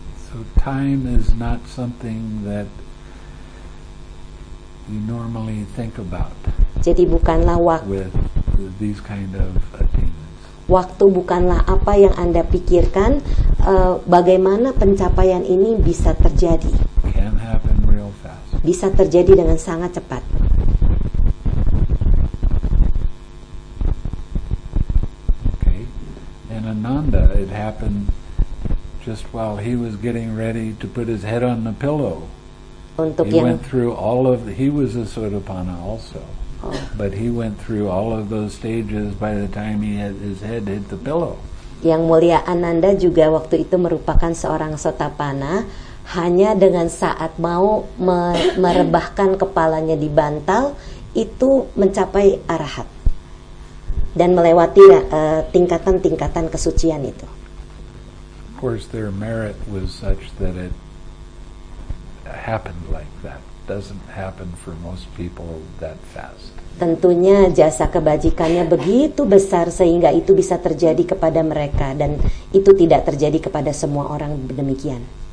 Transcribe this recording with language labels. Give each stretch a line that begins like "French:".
English: So time is not something that we normally think about.
Indonesian: Jadi bukanlah waktu.
English: With these kind of attainments.
Indonesian: Waktu bukanlah apa yang Anda pikirkan, bagaimana pencapaian ini bisa terjadi.
English: Can happen real fast.
Indonesian: Bisa terjadi dengan sangat cepat. Okay. And Ananda, it happened just while he was getting ready to put his head on the pillow. Untuk
English: he went through all of he was a sotapanna also. But he went through all of those stages by the time he had his head hit the pillow.
Indonesian: Yang mulia Ananda juga waktu itu merupakan seorang sotapanna, hanya dengan saat mau merebahkan kepalanya di bantal itu mencapai arahat dan melewati tingkatan-tingkatan kesucian itu.
English: Of course their merit was such that it happened like that. Doesn't happen for most people that fast.
Indonesian: Tentunya jasa kebajikannya begitu besar sehingga itu bisa terjadi kepada mereka, dan itu tidak terjadi kepada semua orang demikian.